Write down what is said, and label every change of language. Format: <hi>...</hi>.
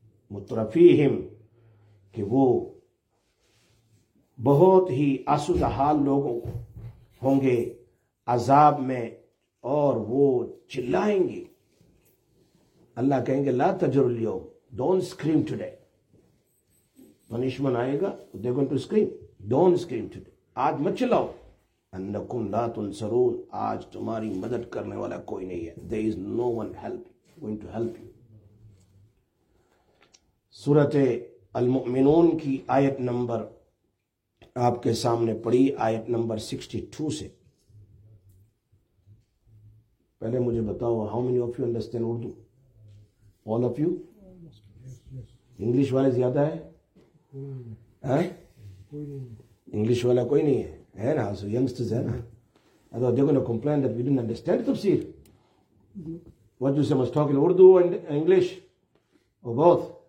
<ur>مترفیہم, کہ وہ بہت ہی آسودہ حال لوگوں ہوں گے عذاب میں, اور وہ چلائیں گے. اللہ کہیں گے</ur> <ar>لا تجر اليوم,</ar> <en>don't scream today.</en> <ur>پنشمنٹ آئے گا,</ur> <en>they're going to scream, don't scream today.</en> <ur>آج مت چلاؤ.</ur> <ar>انکم لا تنصرون,</ar> <ur>آج تمہاری مدد کرنے والا کوئی نہیں ہے.</ur> <en>There is no one help going to help you.</en> <ur>سورۃ المؤمنون کی آیت نمبر آپ کے سامنے پڑی, آیت نمبر 62 سے. پہلے مجھے بتاؤ,</ur> <en>how many of you understand Urdu? All of you? Yes.</en> <ur>English والے زیادہ ہے؟ English والا کوئی نہیں ہے, ہے نا؟ سو یگسٹرز ہیں نا.</ur> <en>اگر they go نا complain that we didn't understand تفسیر, what you say must talk in Urdu and English اور both.</en>